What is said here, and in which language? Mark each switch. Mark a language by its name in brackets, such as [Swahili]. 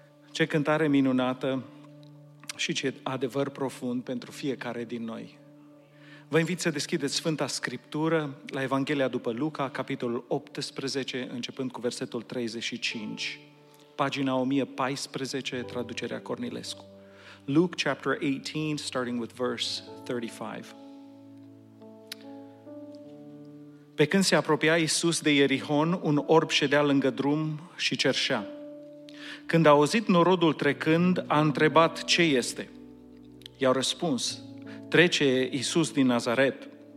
[Romanian] Ce cântare minunată și ce adevăr profund pentru fiecare din noi. Vă invit să deschideți Sfânta Scriptură la Evanghelia după Luca, capitolul 18, începând cu versetul 35. Pagina 1014, traducerea Cornilescu. [English] Luke chapter 18, starting with verse 35. [Romanian] Pe când se apropia Iisus de Ierihon, un orb ședea lângă drum și cerșea. Când a auzit norodul trecând, a întrebat ce este. I-au răspuns, trece Iisus din Nazaret.